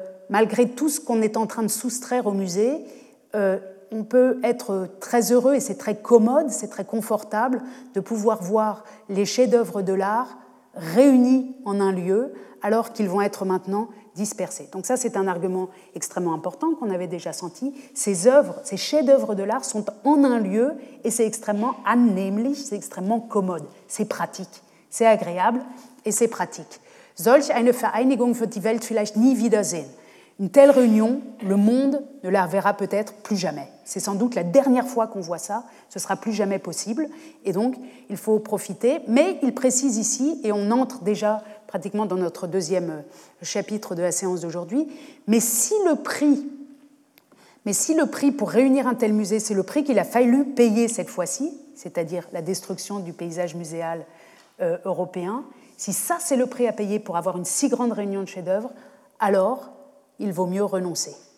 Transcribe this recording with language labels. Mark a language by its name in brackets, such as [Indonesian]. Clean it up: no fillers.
[French] malgré tout ce qu'on est en train de soustraire au musée, on peut être très heureux, et c'est très commode, c'est très confortable, de pouvoir voir les chefs-d'œuvre de l'art réunis en un lieu, alors qu'ils vont être maintenant dispersés. Donc ça, c'est un argument extrêmement important qu'on avait déjà senti. Ces œuvres, ces chefs-d'œuvre de l'art sont en un lieu, et c'est extrêmement annehmlich, c'est extrêmement commode, c'est pratique, c'est agréable, et c'est pratique. [German] Solch eine Vereinigung wird die Welt vielleicht nie wiedersehen. [French] Une telle réunion, le monde ne la reverra peut-être plus jamais. C'est sans doute la dernière fois qu'on voit ça, ce sera plus jamais possible, et donc il faut profiter. Mais il précise ici, et on entre déjà pratiquement dans notre deuxième chapitre de la séance d'aujourd'hui, mais si le prix pour réunir un tel musée, c'est le prix qu'il a fallu payer cette fois-ci, c'est-à-dire la destruction du paysage muséal européen, si ça c'est le prix à payer pour avoir une si grande réunion de chefs-d'œuvre, alors il vaut mieux renoncer.